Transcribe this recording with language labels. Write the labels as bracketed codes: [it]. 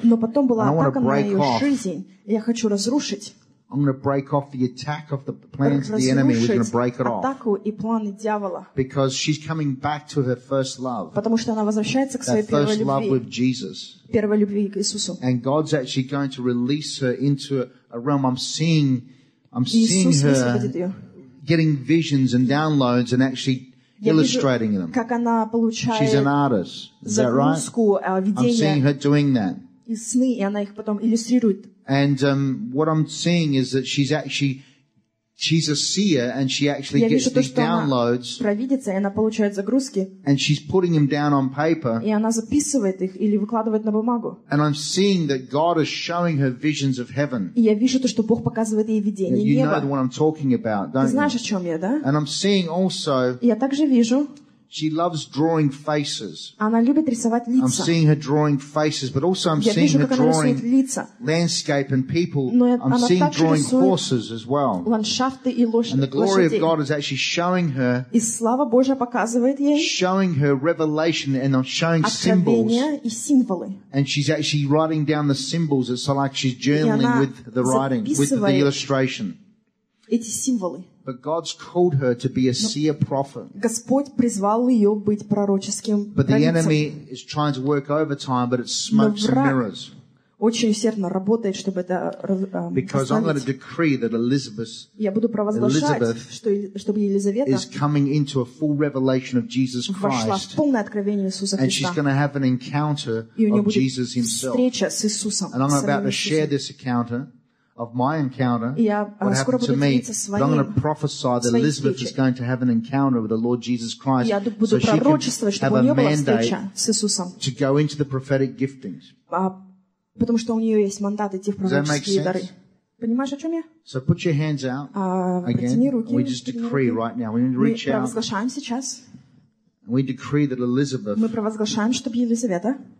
[ru] Но потом была атака на ее жизнь. И я хочу разрушить. [en] I'm going to break off the attack of the plans of the enemy. We're going to break it off. [ru] Атаку и планы дьявола. [en] Because she's coming back to her first love. [ru] Потому что она возвращается к своей первой любви. [en] That first love with Jesus. [ru] Первой любви к Иисусу. [en] And God's actually going to release her into a realm. I'm seeing her getting visions and downloads and actually illustrating them. [ru] Как она получает. [en] She's an artist. Is that right? [ru] Видение. [en] I'm seeing her doing that. [ru] И сны, и она их потом иллюстрирует. [en] And what I'm seeing is that she's a seer, and she actually gets these downloads. [ru] Провидица, и она получает загрузки. [en] And she's putting them down on paper. [ru] И она записывает их или выкладывает на бумагу. [en] And I'm seeing that God is showing her visions of heaven. [ru] И я вижу то, что Бог показывает ей видение неба. [en] You know what I'm talking about, don't you? [ru] Ты знаешь, о чем я, да? [en] And I'm seeing also. [ru] Я также вижу. [en] She loves drawing faces. [ru] Она любит рисовать лица. [en] I'm seeing her drawing faces, but also I'm [ru] я [en] seeing [ru] вижу, [en] her drawing landscape and people. I'm seeing drawing horses as well. [ru] Ландшафты и лошади. [en] And the glory of God is actually showing her. [ru] И слава Божья показывает ей. [en] Showing her revelation and showing symbols. [ru] Откровения и символы. [en] And she's actually writing down the symbols. It's like she's journaling with the writing, with the illustration. [ru] Эти символы. [en] But God's called her to be a seer prophet. [ru] Господь призвал ее быть пророческим [en] But the [ru] пророчицем. [en] Enemy is trying to work overtime, but it's smokes and mirrors. [ru] Очень усердно работает, чтобы это [en] Because [ru] остановить. [en] I'm going to decree that Elizabeth, [ru] я буду провозглашать, чтобы Елизавета [en] is coming into a full revelation of Jesus Christ. [ru] Вошла в полное откровение Иисуса Христа. [en] And she's going to have an encounter of Jesus himself. [ru] Встреча с Иисусом. [en] And I'm about to share this encounter. Of my encounter, [ru] я, [en] what happened to me, but I'm going to prophesy that Elizabeth is going to have an encounter with the Lord Jesus Christ, so she can have a mandate to go into the prophetic giftings. [ru] Потому что у нее есть мандат идти в пророческие дары. Понимаешь, о чем я? [en] So put your hands out again. We just decree right now. We need to reach out. [ru] Мы провозглашаем сейчас. [en] We decree that Elizabeth. [ru] Мы провозглашаем, чтобы Елизавета.